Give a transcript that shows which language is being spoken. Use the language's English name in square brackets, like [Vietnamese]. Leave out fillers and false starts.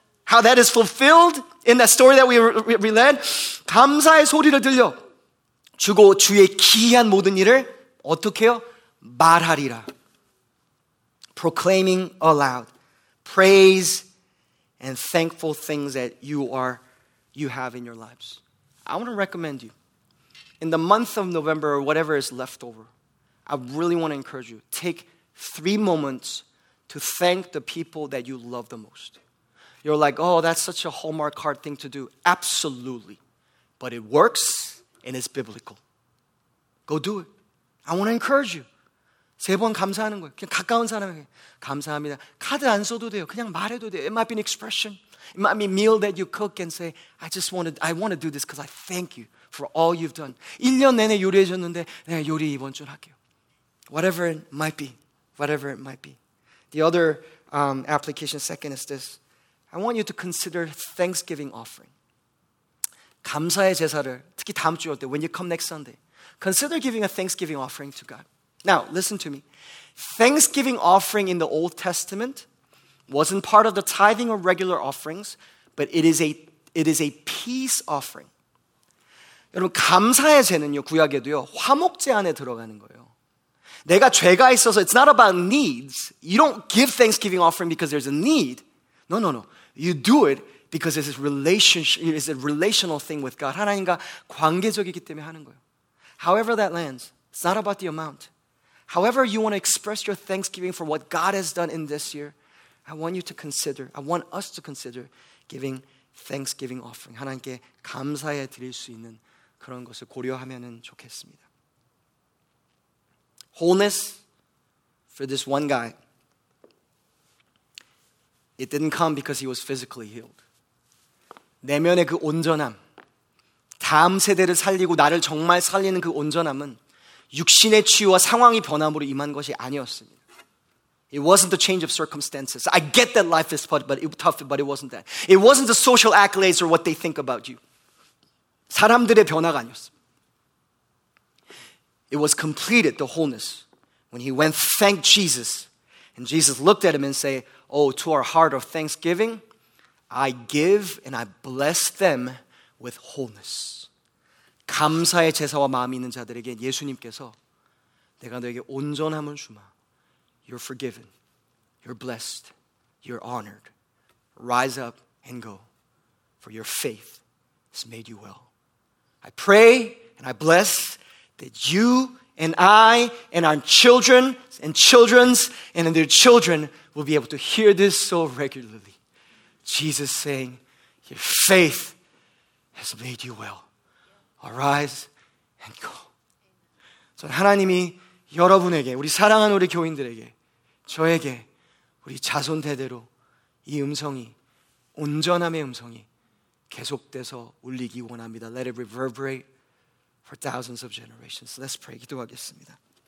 [English] How that is fulfilled in that story that we read? [Korean] 감사의 소리를 들려 주고 주의 기이한 모든 일을 어떻게요? 말하리라. [English] Proclaiming aloud. Praise and thankful things that you have in your lives. I want to recommend you. In the month of November or whatever is left over, I really want to encourage you. Take 3 moments to thank the people that you love the most. You're like, oh, that's such a Hallmark card thing to do. Absolutely. But it works and it's biblical. Go do it. I want to encourage you. [Korean] 세 번 감사하는 거예요. 그냥 가까운 사람에게 감사합니다. 카드 안 써도 돼요. 그냥 말해도 돼요. [English] It might be an expression. It might be a meal that you cook and say, I want to do this because I thank you for all you've done. [Korean] 1년 내내 요리해 줬는데 내가 요리 이번 주 할게요. [English] Whatever it might be. Whatever it might be. The other application, second, is this. I want you to consider Thanksgiving offering. [Korean] 감사의 제사를, 특히 다음 주 올 때, [English] when you come next Sunday, consider giving a Thanksgiving offering to God. Now, listen to me. Thanksgiving offering in the Old Testament wasn't part of the tithing or regular offerings, but it is a peace offering. [Korean] 여러분, 감사의 제는요, 구약에도요, 화목제 안에 들어가는 거예요. 내가 죄가 있어서 [English] it's not about needs. You don't give Thanksgiving offering because there's a need. No, no, no. You do it because it's a relationship, it's a relational thing with God. [Korean] 하나님과 관계적이기 때문에 하는 거예요. [English] However that lands, it's not about the amount. However you want to express your thanksgiving for what God has done in this year, I want you to consider, I want us to consider giving thanksgiving offering. [Korean] 하나님께 감사해 드릴 수 있는 그런 것을 고려하면 좋겠습니다. [English] Wholeness for this one guy, it didn't come because he was physically healed. [Korean] 내면의 그 온전함, 다음 세대를 살리고 나를 정말 살리는 그 온전함은 육신의 치유와 상황이 변함으로 임한 것이 아니었습니다. [English] It wasn't the change of circumstances. I get that life is tough, but it wasn't that. It wasn't the social accolades or what they think about you. [Korean] 사람들의 변화가 아니었습니다. [English] It was completed, the wholeness, when he went thanked Jesus. And Jesus looked at him and said, Oh, to our heart of thanksgiving, I give and I bless them with wholeness. [Korean] 감사의 제사와 마음이 있는 자들에게 예수님께서 내가 너에게 온전함을 주마. [English] You're forgiven. You're blessed. You're honored. Rise up and go. For your faith has made you well. I pray and I bless that you and I and our children and children's and their children will be able to hear this so regularly. Jesus saying, your faith has made you well. Arise and go. [Korean] 전 하나님이 여러분에게, 우리 사랑하는 우리 교인들에게, 저에게, 우리 자손 대대로 이 음성이, 온전함의 음성이 계속돼서 울리기 원합니다. [English] Let it reverberate for thousands of generations. Let's pray. [Korean] 기도하겠습니다.